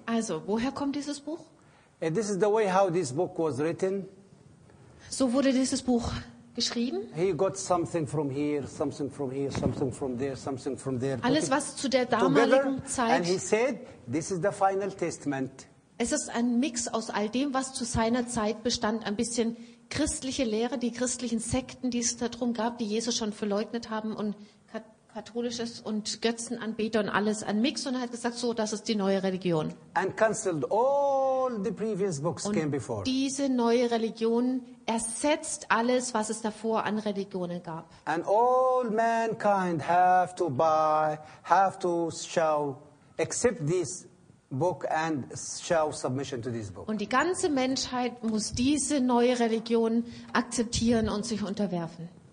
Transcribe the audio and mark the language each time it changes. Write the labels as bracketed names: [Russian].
[German] Also, woher kommt dieses Buch? [English] And this is the way how this book was written. [German] So wurde dieses Buch geschrieben. [English] He got something from here, something from here, something from there, something from there. [German] Alles, was zu der damaligen Zeit. [English] And he said, this is the final testament. [German] Es ist ein Mix aus all dem, was zu seiner Zeit bestand, ein bisschen christliche Lehre, die christlichen Sekten, die es darum gab, die Jesus schon verleugnet haben und katholisches und Götzenanbeter und alles, ein Mix, und er hat gesagt, so, das ist die neue Religion. [English] And cancelled all the previous books [German] und [English] came before. [German] Diese neue Religion ersetzt alles, was es davor an Religionen gab. [English] And all mankind have to buy, have to show, accept this book and show submission to this book. [German] Und die ganze Menschheit muss diese neue Religion akzeptieren und sich unterwerfen.